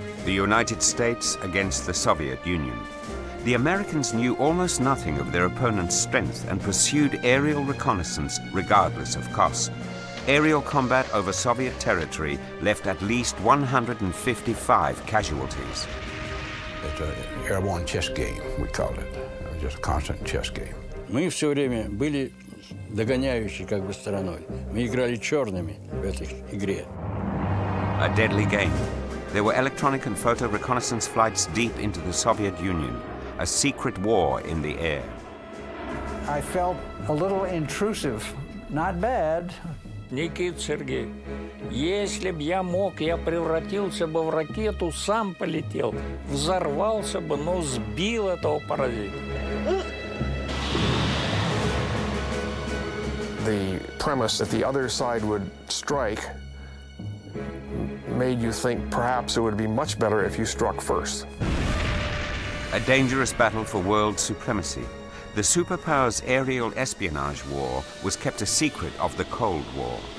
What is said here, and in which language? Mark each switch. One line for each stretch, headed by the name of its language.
English: The United States against the Soviet Union. The Americans knew almost nothing of their opponent's strength and pursued aerial reconnaissance regardless of cost. Aerial combat over Soviet territory left at least 155 casualties. It's an airborne chess game, we call it. Just a constant chess game.
Russian: Мы все время были догоняющей как бы стороной. Мы играли черными в этой игре.
English: A deadly game. There were electronic and photo reconnaissance flights deep into the Soviet Union. A secret war in the air. I felt a little intrusive. Not bad.
Russian: Никит Сергей, если б я мог, я превратился бы в ракету, сам полетел, взорвался бы, но сбил этого паразита.
English: The premise that the other side would strike made you think perhaps it would be much better if you struck first. A dangerous battle for world supremacy. The superpowers' aerial espionage war was kept a secret of the Cold War.